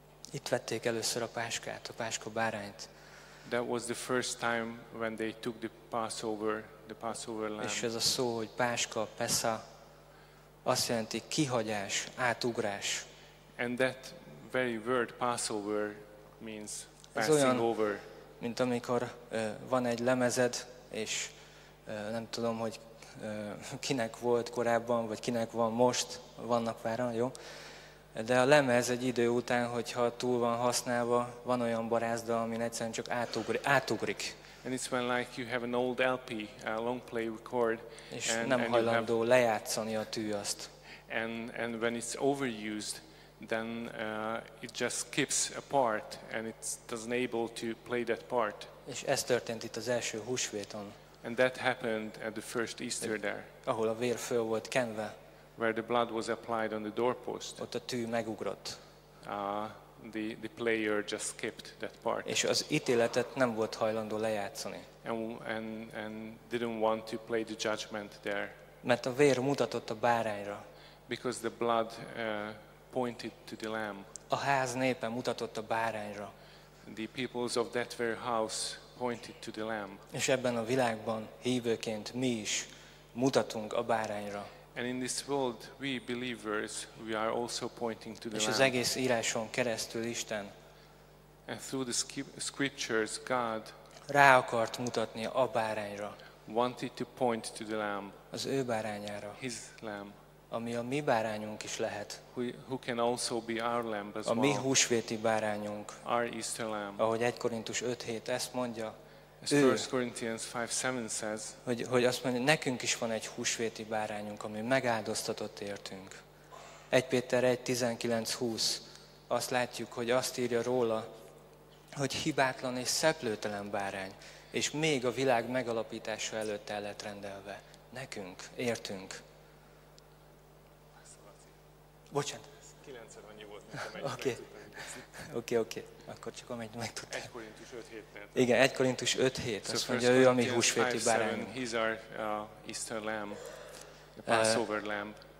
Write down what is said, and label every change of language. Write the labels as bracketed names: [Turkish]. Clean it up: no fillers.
[Hungarian] Itt vették először a páskát, a páska bárányt. [English] That was the first time when they took the Passover lamb. [Hungarian] És ez a szó, hogy páska, pesa, azt jelenti kihagyás, átugrás. [English] And that very word Passover means passing [Hungarian] olyan, [English] over. [Hungarian] Mint amikor van egy lemezed, és nem tudom, hogy kinek volt korábban, vagy kinek van most, vannak váran, jó? De a lemez egy idő után, hogyha túl van használva, van olyan barázda, amin egyszerűen csak átugrik. [English] And it's when like you have an old LP, a long play record, [Hungarian] és nem hajlandó lejátszani a tű azt. [English] And when it's overused, then it just skips a part, and it doesn't able to play that part. [Hungarian] És ez történt itt az első húsvéton. [English] And that happened at the first Easter there. [Hungarian] Ahol a vér föl volt kenve. [English] Where the blood was applied on the doorpost. [Hungarian] Ott a tű megugrott. [English] The player just skipped that part. [Hungarian] És az ítéletet nem volt hajlandó lejátszani. [English] And didn't want to play the judgment there. [Hungarian] Mert a vér mutatott a bárányra. [English] Because the blood pointed to the lamb. [Hungarian] A ház népe mutatott a bárányra. [English] The peoples of that very house pointed to the lamb. [Hungarian] És ebben a világban hívőként mi is mutatunk a bárányra. [English] And in this world, we believers, we are also pointing to the [Hungarian] Lamb. És az egész íráson keresztül Isten. [English] And through the scriptures, God [Hungarian] rá akart mutatni a bárányra. [English] Wanted to point to the Lamb. [Hungarian] Az ő bárányára. [English] His Lamb. [Hungarian] Ami a mi bárányunk is lehet. [English] Who can also be our Lamb as well. [Hungarian] A mi húsvéti bárányunk. [English] Our Easter Lamb. [Hungarian] Ahogy 1 Korintus 5:7 ezt mondja. [English] Ő, 1 Corinthians 5:7 says, [Hungarian] hogy azt mondja, nekünk is van egy húsvéti bárányunk, ami megáldoztatott értünk. 1 Péter 1:19-20 azt látjuk, hogy azt írja róla, hogy hibátlan és szeplőtelen bárány, és még a világ megalapítása előtt el lett rendelve. Nekünk, értünk. Bocsánat. 9-en annyi volt, mint amelyik. Oké, oké. Akkor csak amit megtudtam. 1 Korintus 5:7. Igen, 1 Korintus 5:7. Azt mondja, ő a mi húsvéti bárány. [English] He's our Easter lamb, the Passover lamb.